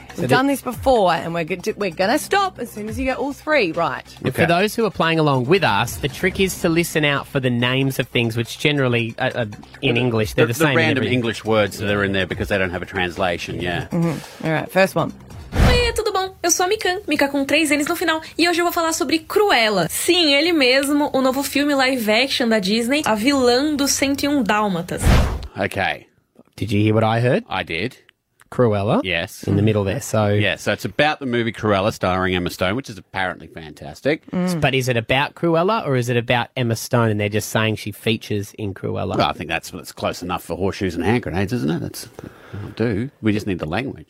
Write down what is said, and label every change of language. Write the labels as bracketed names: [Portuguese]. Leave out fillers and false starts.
[English] We've done this before, and we're going to stop as soon as you get all three right. Okay. For those who are playing along with us, the trick is to listen out for the names of things, which generally, in English, they're the same. The random English words that are in there because they don't have a translation, Mm-hmm. All right, first one. [Portuguese] Tudo bom? Eu sou a Mikan, Mika com três N's no final, e hoje eu vou falar sobre Cruella. Sim, ele mesmo, o novo filme live action da Disney, a vilã do 101 Dálmatas. [English] Okay. Did you hear what I heard? I did. Cruella? Yes. In the middle there, so... Yeah, so it's about the movie Cruella starring Emma Stone, which is apparently fantastic. Mm. But is it about Cruella or is it about Emma Stone and they're just saying she features in Cruella? Well, I think that's close enough for horseshoes and hand grenades, isn't it? That's... We just need the language.